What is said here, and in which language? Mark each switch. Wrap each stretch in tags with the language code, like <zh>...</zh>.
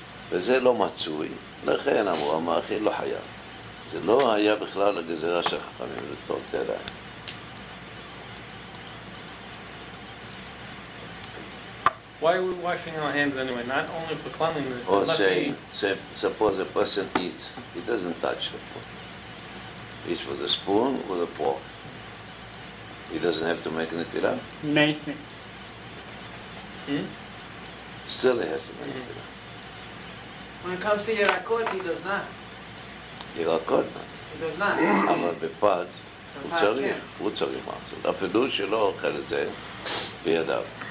<he>וזה לא מצוי, לכן אמרו, המאכיל לא חייב. זה לא היה בכלל הגזרה של חכמים, זה טוב, תדע.</he> <en>Why are we washing our hands anyway? Not only for cleanliness, but let's eat. Say, suppose a person eats, he doesn't touch the food. Eats with a spoon or with a fork. He doesn't have to make nitira? Make it. Still he has to make nitira. When it comes to Yerakot, he does not. Yerakot? He does not. But</en> <he>bepat, he צריך, הוא צריך מעשות. אפילו שלא אוכל את זה בידיו.</he>